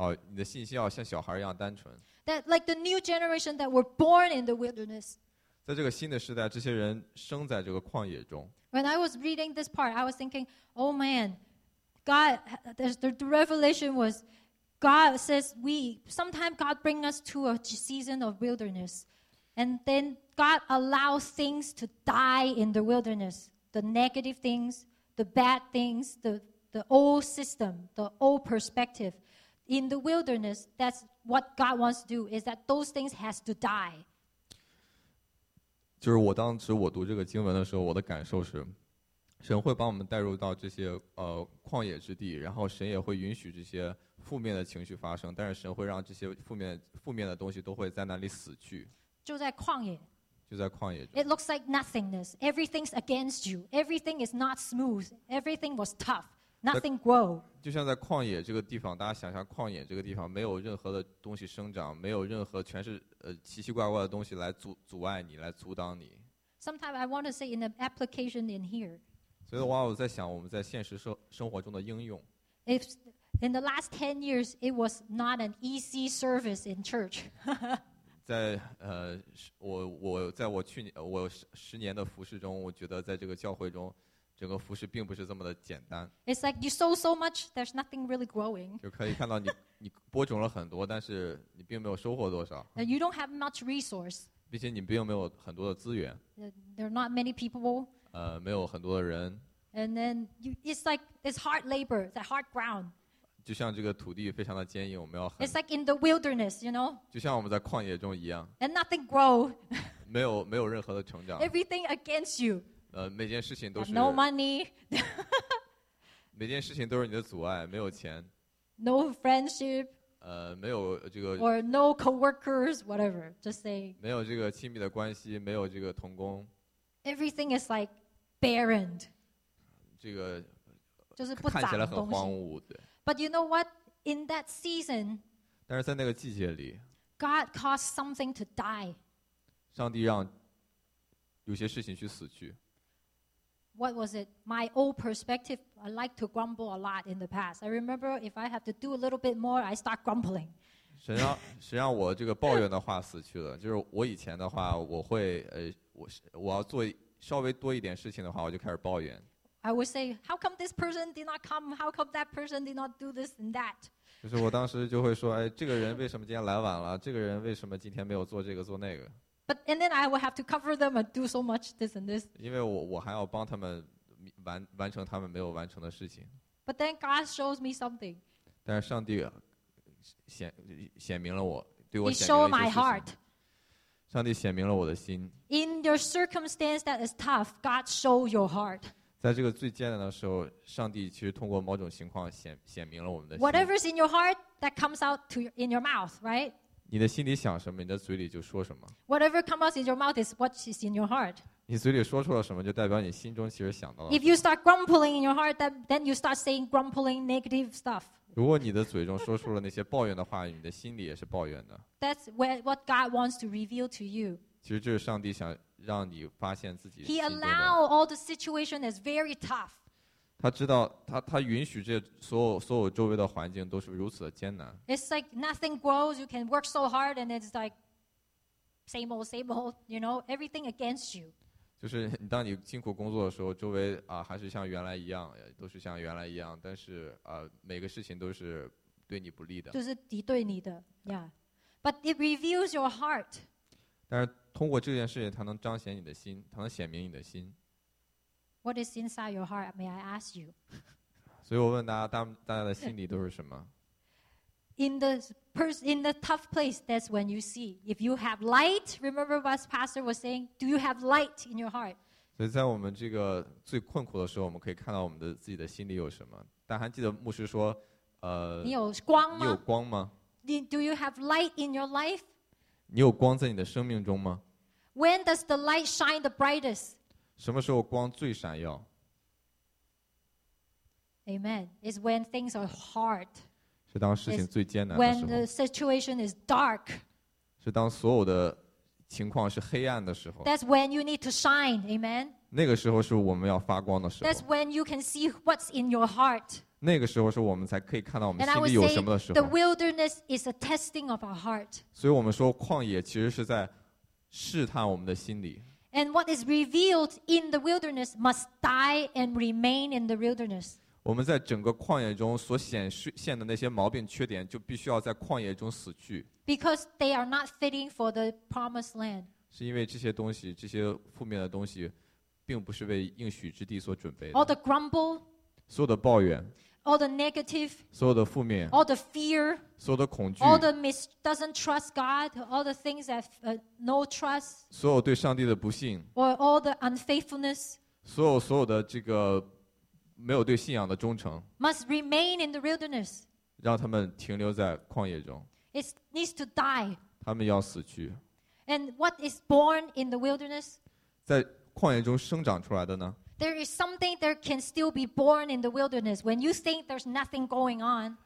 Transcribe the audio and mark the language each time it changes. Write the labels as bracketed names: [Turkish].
[Chinese] 你的信心要像小孩一样单纯。 [English] That like the new generation that were born in the wilderness. [Chinese] 在这个新的时代，这些人生在这个旷野中。 [English] When I was reading this part, I was thinking, "Oh man, God, the revelation was, God says we sometimes God bring us to a season of wilderness, and then God allows things to die in the wilderness, the negative things, the bad things, the old system, the old perspective. In the wilderness, that's what God wants to do, is that those things has to die. [Chinese] 就是我当时我读这个经文的时候，我的感受是，神会把我们带入到这些旷野之地，然后神也会允许这些负面的情绪发生，但是神会让这些负面的东西都会在那里死去。就在旷野。 [English] It looks like nothingness. Everything's against you. Everything is not smooth. Everything was tough. Nothing grow. [Chinese] 就像在旷野这个地方，大家想象旷野这个地方，没有任何的东西生长，没有任何全是奇奇怪怪的东西来阻碍你，来阻挡你。 [English] Sometimes I want to say in an application in here. [Chinese] 所以的话，我在想我们在现实生活中的应用。 [English] If in the last 10 years it was not an easy service in church. [Chinese] 在我在我去年我10年的服事中，我觉得在这个教会中。整个服事并不是这么的简单。 [English] It's like you sow so much, there's nothing really growing. [Chinese] 就可以看到你播种了很多，但是你并没有收获多少。 [English] And you don't have much resource. [Chinese] 并且你并没有很多的资源。 [English] There are not many people. [Chinese] 没有很多的人。 [English] And then it's like it's hard labor, it's a hard ground. [Chinese] 就像这个土地非常的坚硬，我们要很。 [English] It's like in the wilderness, you know. [Chinese] 就像我们在旷野中一样。 [English] And nothing grow. [Chinese] 没有任何的成长。 [English] Everything against you. [Chinese] 每件事情都是 [English] no money. [Chinese] 每件事情都是你的阻碍，没有钱。 [English] No friendship. [Chinese] 没有这个。 [English] Or no coworkers, whatever. Just saying. [Chinese] 没有这个亲密的关系，没有这个同工。 [English] Everything is like barren. [Chinese] 这个就是不长东西。看起来很荒芜，对。 [English] But you know what? In that season. [Chinese] 但是在那个季节里。 [English] God caused something to die. [Chinese] 上帝让有些事情去死去。 [English] What was it? My old perspective, I like to grumble a lot in the past. I remember if I have to do a little bit more, I start grumbling. [Chinese] 谁让我这个抱怨的话死去了？就是我以前的话，我会我要做稍微多一点事情的话，我就开始抱怨。 [English] I would say, how come this person did not come? How come that person did not do this and that? [Chinese] 就是我当时就会说，哎，这个人为什么今天来晚了？这个人为什么今天没有做这个做那个？ [English] But and then I will have to cover them and do so much this and this. [Chinese] 因为我还要帮他们完成他们没有完成的事情。 [English] But then God shows me something. [Chinese] 但是上帝显明了我对我。 [English] He showed my heart. [Chinese] 上帝显明了我的心。 [English] In your circumstance that is tough, God show your heart. [Chinese] 在这个最艰难的时候，上帝其实通过某种情况显明了我们的心。 [English] Whatever's in your heart that comes out to in your mouth, right? [Chinese] 你的心里想什么，你的嘴里就说什么。 [English] Whatever comes out in your mouth is what is in your heart. [Chinese] 你嘴里说出了什么，就代表你心中其实想到了。 [English] If you start grumbling in your heart, then you start saying grumbling negative stuff. [Chinese] 如果你的嘴中说出了那些抱怨的话，你的心里也是抱怨的。 [English] That's what God wants to reveal to you. [Chinese] 其实这是上帝想让你发现自己。 [English] He allows all the situation is very tough. [Chinese] 他知道他允许这所有周围的环境都是如此的艰难。 [English] It's like nothing grows. You can work so hard, and it's like same old, you know, everything against you. [Chinese] 就是你当你辛苦工作的时候，周围啊还是像原来一样，都是像原来一样，但是啊每个事情都是对你不利的，就是敌对你的 [English] ，yeah. But it reveals your heart. [Chinese] 但是通过这件事情，它能彰显你的心，它能显明你的心。 [English] What is inside your heart? May I ask you? [Chinese] 所以我问大家的心里都是什么？ [English] In the tough place, that's when you see. If you have light, remember what Pastor was saying? Do you have light in your heart? [Chinese] 所以在我们这个最困苦的时候，我们可以看到我们的自己的心里有什么。但还记得牧师说，你有光吗？你有光吗？ [English] Do you have light in your life? [Chinese] 你有光在你的生命中吗？ [English] When does the light shine the brightest? [Chinese] 什么时候光最闪耀？ [English] Amen. It's when things are hard. [Chinese] 是当事情最艰难的时 [English] 候。When the situation is dark. [Chinese] 是当所有的情况是黑暗的时候。 [English] That's when you need to shine, amen. [Chinese] 那个时候是我们要发光的时候。 [English] That's when you can see what's in your heart. [Chinese] 那个时候是我们才可以看到我们心里有什么的时候。 [English] The wilderness is a testing of our heart. [Chinese] 所以我们说旷野其实是在试探我们的心理。 [English] And what is revealed in the wilderness must die and remain in the wilderness. [Chinese] 我们在整个旷野中所显现的那些毛病缺点就必须要在旷野中死去。 [English] Because they are not fitting for the promised land. [Chinese] 是因为这些东西，这些负面的东西并不是为应许之地所准备的。 [English] All the grumble. [Chinese] 所有的抱怨。 [English] All the negative. [Chinese] 所有的负面。 [English] All the fear. [Chinese] 所有的恐惧。 [English] All the doesn't trust God. All the things that no trust. [Chinese] 所有对上帝的不信。 [English] Or all the unfaithfulness. [Chinese] 所有的这个没有对信仰的忠诚 [English] must remain in the wilderness. [Chinese] 让他们停留在旷野中 [English] It needs to die. [Chinese] 他们要死去 [English] And what is born in the wilderness? [Chinese] 在旷野中生长出来的呢 [English] There is something that can still be born in the wilderness when you think there's nothing going on.